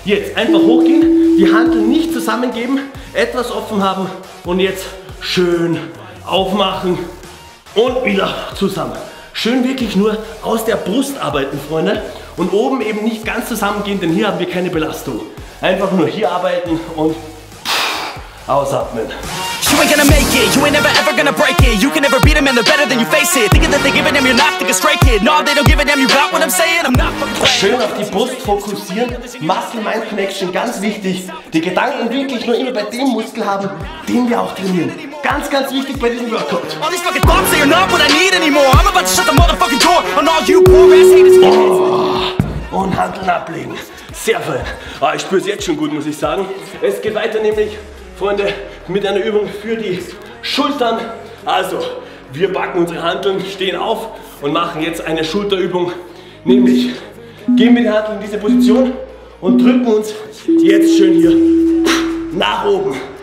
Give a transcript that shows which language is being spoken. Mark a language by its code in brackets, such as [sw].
[de] Jetzt einfach hochgehen, die Handeln nicht zusammengeben, etwas offen haben und jetzt schön aufmachen und wieder zusammen. Schön wirklich nur aus der Brust arbeiten, Freunde. Und oben eben nicht ganz zusammengehen, denn hier haben wir keine Belastung. Einfach nur hier arbeiten und ausatmen. [en] You ain't gonna make it, you ain't never ever gonna break it. You can never beat them and they're better than you face it. Thinking that they give a damn, you're not thinking straight, kid. No, they don't give a damn, you got what I'm saying? I'm not fucking crazy. [de] Schön auf die Brust fokussieren, Muscle-Mind-Connection, ganz wichtig. Die Gedanken wirklich nur immer bei dem Muskel haben, den wir auch trainieren. Ganz, ganz wichtig bei diesem Workout. [en] All these fucking bombs say you're not what I need anymore. I'm about to shut the motherfucking door on all you poor ass haters. [de] Und Handeln ablegen. Sehr fein. Ah, ich spür's jetzt schon gut, muss ich sagen. Es geht weiter nämlich, Freunde, mit einer Übung für die Schultern. Also, wir packen unsere Handeln, stehen auf und machen jetzt eine Schulterübung. Nämlich, gehen wir die Handeln in diese Position und drücken uns jetzt schön hier nach oben.